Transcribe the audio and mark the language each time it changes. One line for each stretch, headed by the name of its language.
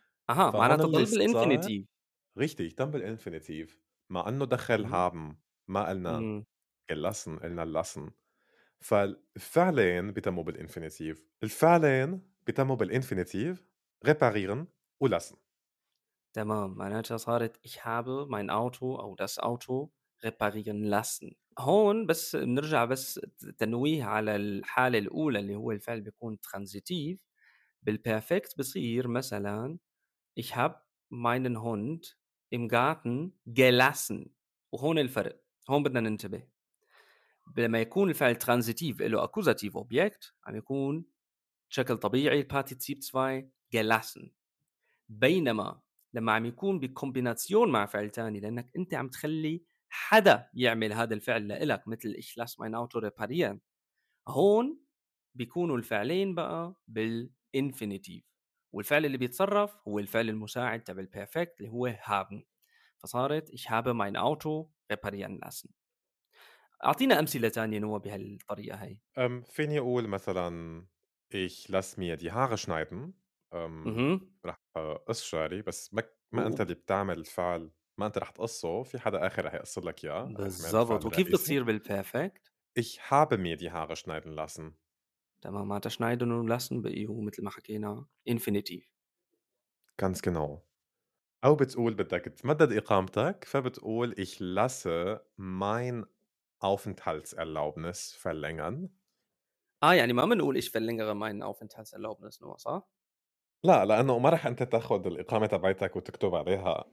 Arabic: أها معناته طلب الإنفينيتيف. ريختيك طلب الإنفينيتيف مع أنه دخل هابن ما قلنا gelassen، قلنا lassen. فالفعلين بيتموا بالإنفينيتيف، الفعلين بيتموا بالإنفينيتيف reparieren و lassen. تمام، معناته صارت
German: ich habe mein Auto
Arabic: أو
German: das Auto reparieren lassen.
Arabic: هون بس نرجع بس تنويه على الحالة الأولى اللي هو الفعل بيكون transitiv. بالperfect بصير مثلا
German: ich habe meinen Hund im Garten gelassen.
Arabic: وهون الفرق، هون بدنا ننتبه. لما يكون الفعل transitiv إلو أكوزاتيف أوبيكت عم يكون بشكل طبيعي partizip 2 gelassen، بينما لما عم يكون بكمبيناتيون مع فعل تاني لأنك أنت عم تخلي حدا يعمل هذا الفعل لإلك مثل
German: ich lass mein Auto reparieren،
Arabic: هون بيكونوا الفعلين بقى بالإنفينيتيف، والفعل اللي بيتصرف هو الفعل المساعد تبع الperfect اللي هو haben. فصارت
German: ich habe mein Auto reparieren lassen.
Arabic: أعطينا أمثلة تانية نوع بهالطريقة هاي. فيني أقول مثلا
German: ich lass mir die Haare schneiden.
Arabic: رح أقص شعري، بس ما أنت اللي بتعمل الفعل، ما أنت رح تقصه، في حدا آخر رح يقصر لك يا بالضبط. وكيف بتصير بالperfect؟
German: Ich habe mir die Haare schneiden lassen.
Arabic: تمام، هذا
German: schneiden und lassen
Arabic: بقيه مثل ما حكينا infinitiv.
German: ganz genau.
Arabic: أو بتقول بدك تمدد إقامتك فبتقول
German: Ich lasse mein Aufenthaltserlaubnis verlängern.
Arabic: يعني ما منقول
German: Ich verlängere mein Aufenthaltserlaubnis nur،
Arabic: صح؟ لا، لأنه ما رح أنت تأخذ الإقامة تبعتك وتكتب عليها